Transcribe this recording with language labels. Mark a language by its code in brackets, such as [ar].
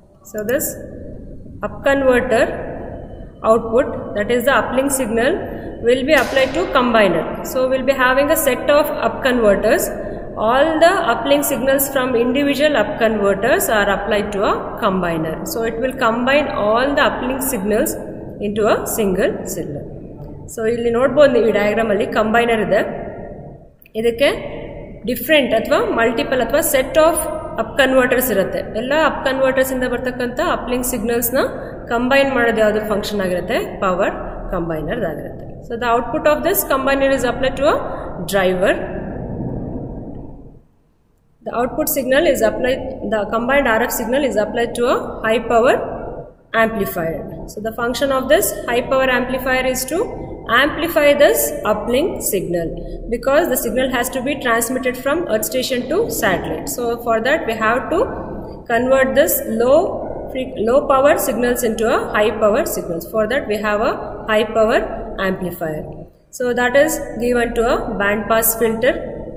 [en] So this up converter output, that is the uplink signal, will be applied to combiner. So we will be having a set of up converters. All the uplink signals from individual up converters are applied to a combiner. So it will combine all the uplink signals into a single signal. [kn] So ಇಲ್ಲಿ ನೋಡ್ಬೋದು ನೀವು ಈ diagram ಅಲ್ಲಿ combiner ಇದೆ, ಇದಕ್ಕೆ different ಅಥವಾ multiple ಅಥವಾ set of up converters ಇರುತ್ತೆ. ಎಲ್ಲ ಅಪ್ ಕನ್ವರ್ಟರ್ಸ್ ಇಂದ ಬರ್ತಕ್ಕಂಥ ಅಪ್ಲಿಂಗ್ ಸಿಗ್ನಲ್ಸ್ನ ಕಂಬೈನ್ ಮಾಡೋದು ಯಾವುದು ಫಂಕ್ಷನ್ ಆಗಿರುತ್ತೆ, ಪವರ್ ಕಂಬೈನರ್ ಆಗಿರುತ್ತೆ. [en] So the output of this combiner is apply to a driver. The output signal is apply, the combined R F signal is apply to a high power amplifier. So the function of this high power amplifier is to amplify this uplink signal, because the signal has to be transmitted from earth station to satellite. So for that we have to convert this low power signals into a high power signals. For that we have a high power amplifier. So that is given to a band pass filter.